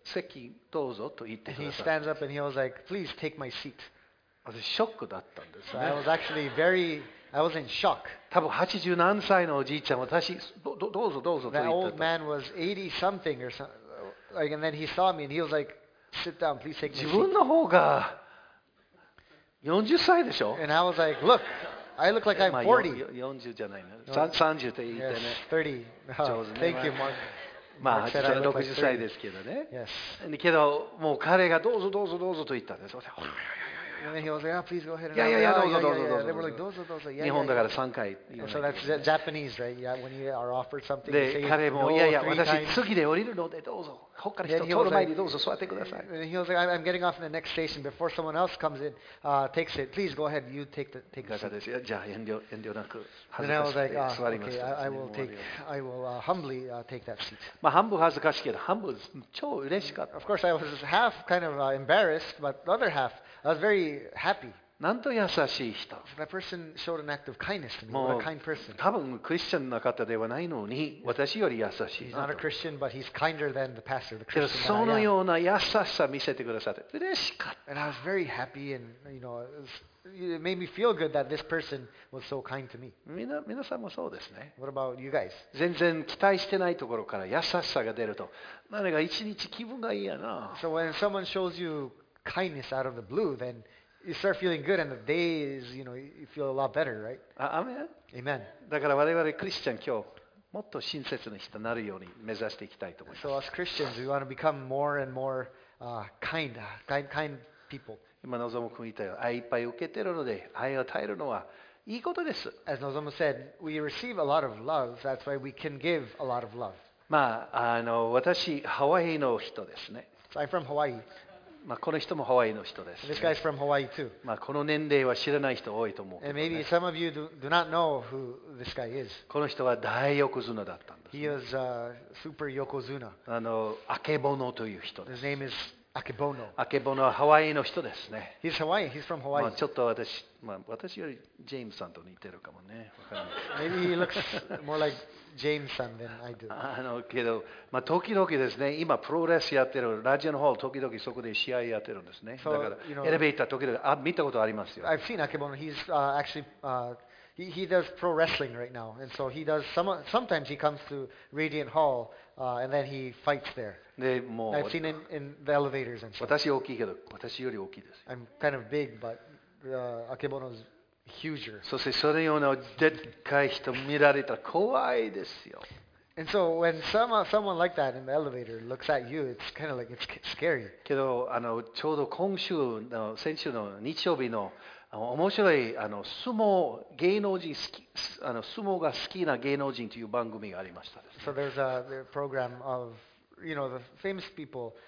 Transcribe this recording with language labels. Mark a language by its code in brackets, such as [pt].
[ja] 席どうぞと言ってください。 [en] He stands up and he was like, "Please take my seat." [ja] 私ショックだったんです、ね。 [en] So、I was actually very, I was in shock. [ja] 多分80何歳のおじいちゃんも私どうぞどうぞと言ってた。 [en] That old man was 80 something or something, like, and then he saw me and he was like, "Sit down, please take my seat." [ja] 自分の方が40歳でしょ。 [en] And I was like, "Look, I look like I'm 40." [ja] 40じゃないね。30って言ってね。 [en] Yes, 30. Thank you, Mark. [ja] 60歳ですけどね。 [en] Yes. [ja] けどもう彼がどうぞどうぞどうぞと言ったんです。 [en] And he was like, "Oh, please go ahead." Yeah, yeah, yeah. どうぞ。 They were like, どうぞ。 [ja] 日本だから3回。 [en] So that's Japanese, right? Yeah, when you are offered something, you say, "No, three times." [ja] 彼もいや私次で降りるのでどうぞ。他から人通る前にどうぞ座ってください。 [en] And he was like, "I'm getting off in the next station before someone else comes in, takes it. Please go ahead. You take the seat." [ja] じゃあ遠慮なく。 [en] And I was like, "Oh, okay. I will humbly take that seat." [ja] 半分恥ずかしいけど半分超嬉しかった。 [en] Of course, I was half kind of embarrassed, but the other half. I was very happy. [ja] なんと優しい人。 [en] That person showed an act of kindness to me. What a kind person. [ja] 多分クリスチャンの方ではないのに、私より優しい。 [en] He's not a Christian, but he's kinder than the pastor, the Christian. [ja] そのような優しさ見せてくださって、嬉しかった。 [en] And I was very happy, and you know, it made me feel good that this person was so kind to me. [ja] みなさんもそうですね。 [en] What about you guys? [ja] 全然期待してないところから優しさが出ると、何か一日気分がいいやな。 [en] So when someone shows youkindness out of the blue, then you start feeling good, and the day is, you know, you feel a lot better, right? Amen. Amen. [ja] だから我々クリスチャン今日もっと親切な人になるように目指していきたいと思います。 [en] So as Christians, we want to become more and more kind people. [ja] 今のぞむ君言ったよ、愛いっぱい受けてるので愛を与えるのはいいことです。 [en] As Nozomu said, we receive a lot of love. That's why we can give a lot of love. [ja] まあ私ハワイの人ですね。 [en] So I'm from Hawaii. [ja] この人もハワイの人です、ね。 [en] This guy's from Hawaii too. [ja] この年齢は知らない人多いと思う、ね。 [en] And maybe some of you do not know who this guy is. [ja] この人は大横綱だったんです、 [en] ね。He is a super yokozuna. [ja] アケボノという人です。 [en] His name is Akebono. [ja] アケボノはハワイの人ですね。 [en] He's Hawaiian. He's from Hawaii. [ja] ちょっと私まあ、私よりジェームさんと似てるかもね。 [en] Maybe he looks more like James さんthan I do. [ja] あのけど、まあ、時々ですね、今プロレスやってる、ラジオのホール、時々そこで試合やってるんですね。 So, だから、 [en] you know, [ja] エレベーター、時々あ見たことありますよ。 [en] I've seen Akebono. He's actually, he does pro wrestling right now. And so he does, sometimes he comes to Radiant Hall, and then he fights there. [ja] でもう [en] I've seen him in the elevators and stuff. [ja] 私大きいけど、私より大きいです。 [en] I'm kind of big, but... Akebono's huger. [ja] そしてそのようなでっかい人見られたら怖いですよ。 [en] And so when someone like that in the elevator looks at you, it's kind of like it's scary. [ja] けどあのちょうど今週の先週の日曜日の面白いあの相撲芸能人好きあの相撲が好きな芸能人という番組がありましたです、ね。 [en] So there's a program of you know the famous people.